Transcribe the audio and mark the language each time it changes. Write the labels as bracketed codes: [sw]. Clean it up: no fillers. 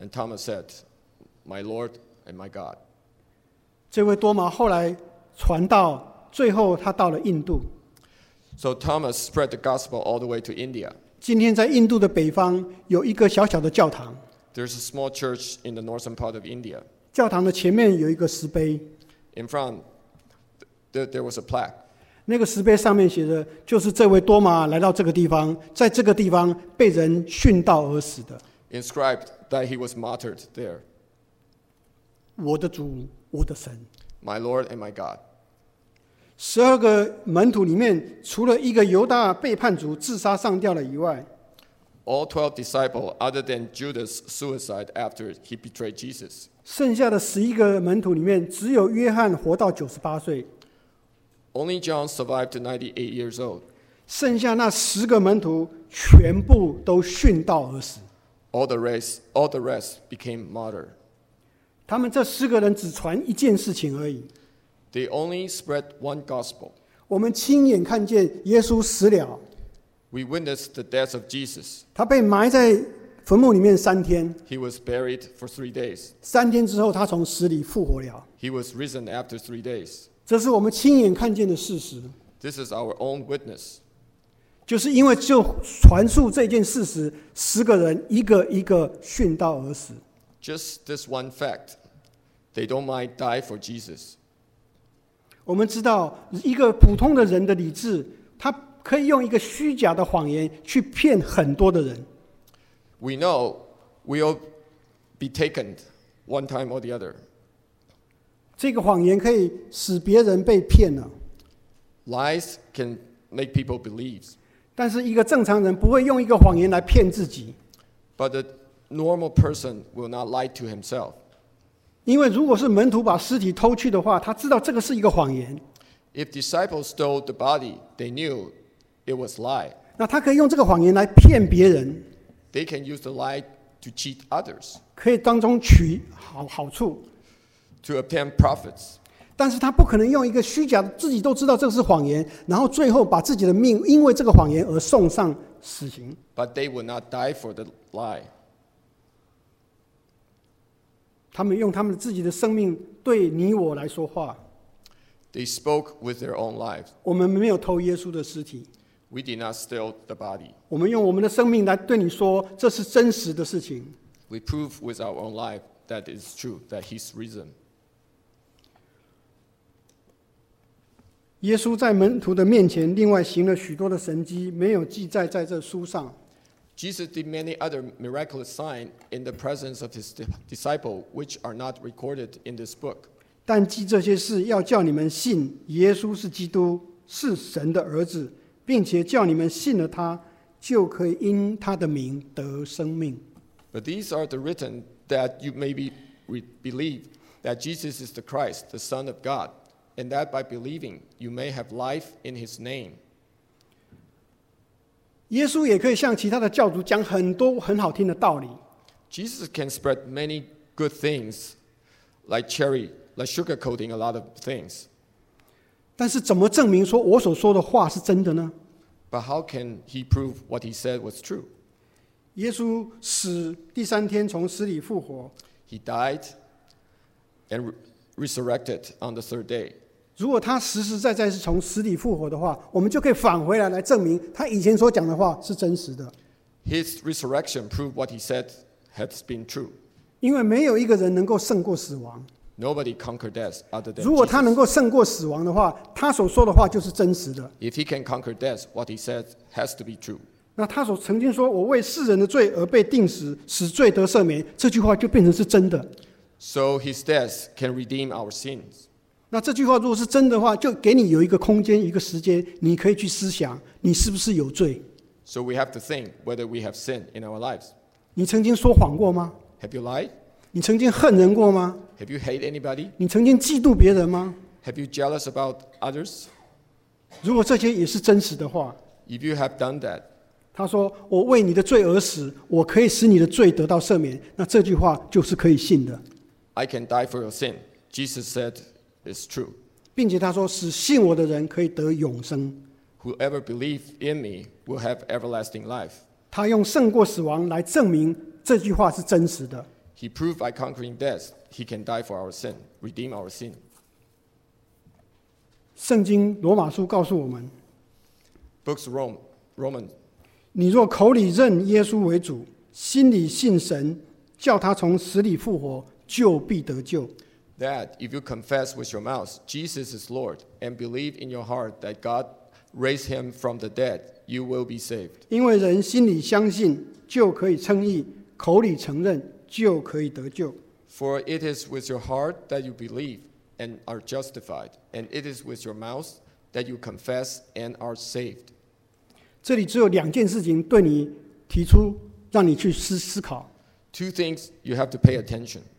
[en] And Thomas said, "My Lord and my God." [zh] 这位多马后来传道，最后他到了印度。 [en] So Thomas spread the gospel all the way to India. [zh] 今天在印度的北方有一个小小的教堂。 [en] There's a small church in the northern part of India. [zh] 教堂的前面有一个石碑。 [en] In front, there was a plaque. [zh] 那个石碑上面写着，就是这位多马来到这个地方，在这个地方被人殉道而死的。 [en] Inscribed that he was martyred there. [zh] 我的主，我的神。 [en] My Lord and my God. [zh] 十二个门徒里面，除了一个犹大背叛主自杀上吊了以外 [en] ，All 12 disciples, other than Judas, suicide after he betrayed Jesus. [zh] 剩下的十一个门徒里面，只有约翰活到九十八岁。 [en] Only John survived to 98 years old. [zh] 剩下那十个门徒全部都殉道而死。 [en] All the rest became martyr. [zh] 他们这十个人只传一件事情而已。 [en] They only spread one gospel. [zh] 我们亲眼看见耶稣死了。 [en] We witnessed the death of Jesus. [zh] 他被埋在坟墓里面三天。 [en] He was buried for 3 days. [zh] 三天之后，他从死里复活了。 [en] He was risen after 3 days. [zh] 这是我们亲眼看见的事实。 [en] This is our own witness. [zh] 就是因为就传述这件事实，十个人一个一个殉道而死。 [en] Just this one fact, they don't mind die for Jesus. [zh] 我们知道一个普通的人的理智，他可以用一个虚假的谎言去骗很多的人。 [en] We know we'll be taken one time or the other. [zh] 这个谎言可以使别人被骗了。 [en] Lies can make people believe. [zh] 但是一个正常人不会用一个谎言来骗自己。 [en] But a normal person will not lie to himself. [zh] 因为如果是门徒把尸体偷去的话，他知道这个是一个谎言。 [en] If disciples stole the body, they knew it was a lie. [zh] 那他可以用这个谎言来骗别人。 [en] They can use the lie to cheat others. [zh] 可以当中取好处。 [en] To obtain profits. [zh] 但是他不可能用一个虚假的，自己都知道这是谎言，然后最后把自己的命因为这个谎言而送上死刑。 [en] But they will not die for the lie. [zh] 他们用他们自己的生命对你我来说话。 [en] They spoke with their own lives. [zh] 我们没有偷耶稣的尸体。 [en] We did not steal the body. [zh] 我们用我们的生命来对你说，这是真实的事情。 [en] We prove with our own life that it's true, that he's risen. [zh] 耶稣在门徒的面前另外行了许多的神迹，没有记载在这书上。 [en] Jesus did many other miraculous signs in the presence of his disciples, which are not recorded in this book. [zh] 但记这些事，要叫你们信耶稣是基督，是神的儿子，并且叫你们信了他，就可以因他的名得生命。 [en] But these are the written that you may believe that Jesus is the Christ, the Son of God, and that by believing you may have life in his name. [zh] 耶稣也可以向其他的教主讲很多很好听的道理。 [en] Jesus can spread many good things, like cherry, like sugarcoating a lot of things. [zh] 但是怎么证明说我所说的话是真的呢？ [en] But how can he prove what he said was true? [zh] 耶稣死第三天从死里复活。 [en] He died and resurrected on the third day. [zh] 如果他实实在在是从死里复活的话，我们就可以返回来来证明他以前所讲的话是真实的。 [en] His resurrection proved what he said has been true. [zh] 因为没有一个人能够胜过死亡。 [en] Nobody conquered death other than Jesus. [zh] 如果他能够胜过死亡的话，他所说的话就是真实的。 [en] If he can conquer death, what he said has to be true. [zh] 那他所曾经说我为世人的罪而被钉死，使罪得赦免，这句话就变成是真的。 [en] So his death can redeem our sins. [zh] 那这句话如果是真的话，就给你有一个空间，一个时间，你可以去思想，你是不是有罪。 [en] So we have to think whether we have sin in our lives. [zh] 你曾经说谎过吗？ [en] Have you lied? [zh] 你曾经恨人过吗？ [en] Have you hate anybody? [zh] 你曾经嫉妒别人吗？ [en] Have you jealous about others? [zh] 如果这些也是真实的话， [en] If you have done that, [zh] 他说，我为你的罪而死，我可以使你的罪得到赦免，那这句话就是可以信的。 [en] I can die for your sin, Jesus said. It's true. [zh] 并且他说使信我的人可以得永生。 [en] Whoever believes in me will have everlasting life. [zh] 他用胜过死亡来证明这句话是真实的。 [en] He proved by conquering death, he can die for our sin, redeem our sin. [zh] 圣经罗马书告诉我们， [en] Books Roman, [zh] 你若口里认耶稣为主，心里信神，叫他从死里复活，就必得救。 [en] That if you confess with your mouth Jesus is Lord and believe in your heart that God raised him from the dead, you will be saved. [zh] 因为人心里相信就可以称义，口里承认就可以得救。 [en] For it is with your heart that you believe and are justified, and it is with your mouth that you confess and are saved. [zh] 这里只有两件事情对你提出，让你去思考。 [en] Two things you have to pay attention.